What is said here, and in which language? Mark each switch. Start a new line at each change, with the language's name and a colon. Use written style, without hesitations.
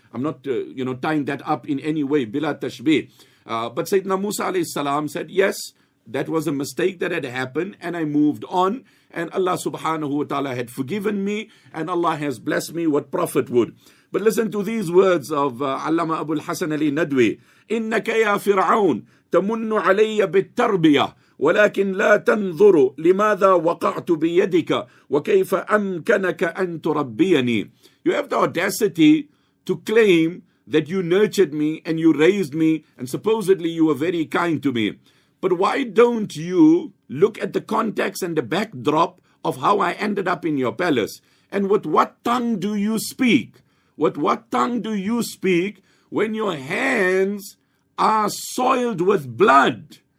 English: I'm not tying that up in any way, bila tashbih. But Sayyidina Musa alayhi salam said, yes, that was a mistake that had happened, and I moved on, and Allah subhanahu wa ta'ala had forgiven me, and Allah has blessed me, what prophet would. But listen to these words of Allama Abu al-Hasan Ali Nadwi.
Arabic: إِنَّكَ يَا فِرْعَوْنَ تمن علي بالتربية ولكن لا تنظر لماذا وقعت بيدك وكيف أمكنك أن تربيني.
English: You have the audacity to claim that you nurtured me and you raised me and supposedly you were very kind to me. But why don't you look at the context and the backdrop of how I ended up in your palace? And with what tongue do you speak? With what tongue do you speak when your hands are soiled with blood?